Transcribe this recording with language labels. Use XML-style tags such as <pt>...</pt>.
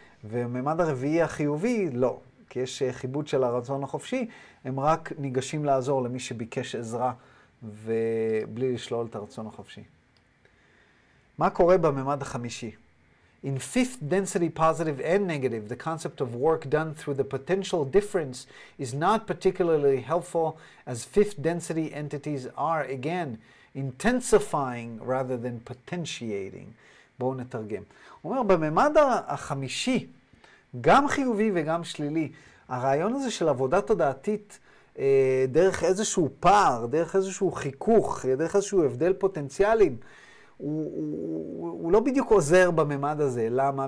<he>וממד הרביעי החיובי, לא, כי יש חיבוד של הרצון החופשי, הם רק ניגשים לעזור למי שביקש עזרה ובלי לשלול את הרצון החופשי. מה קורה בממד החמישי?</he> <en>In fifth density positive and negative, the concept of work done through the potential difference is not particularly helpful as fifth density entities are, again, intensifying rather than potentiating.</en> <he>בואו נתרגם. הוא אומר, בממד החמישי, גם חיובי וגם שלילי, הרעיון הזה של עבודה תודעתית דרך איזשהו פער, דרך איזשהו חיכוך, דרך איזשהו הבדל פוטנציאלים, הוא לא בדיוק עוזר בממד הזה. למה?</he>